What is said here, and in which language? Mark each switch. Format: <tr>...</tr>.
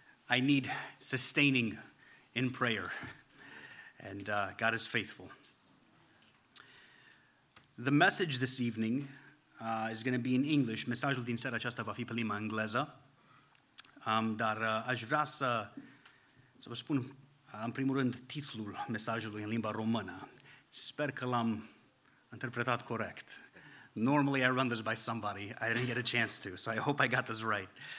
<en>I need sustaining in prayer. And God is faithful. The message this evening is going to be in English.</en> <ro>Mesajul din seara aceasta va fi pe limba engleză. Dar aș vrea să vă spun, în primul rând, titlul mesajului în limba română. Sper că l-am interpretat corect.</ro> <en>Normally I run this by somebody. I didn't get a chance to, so I hope I got this right.</en>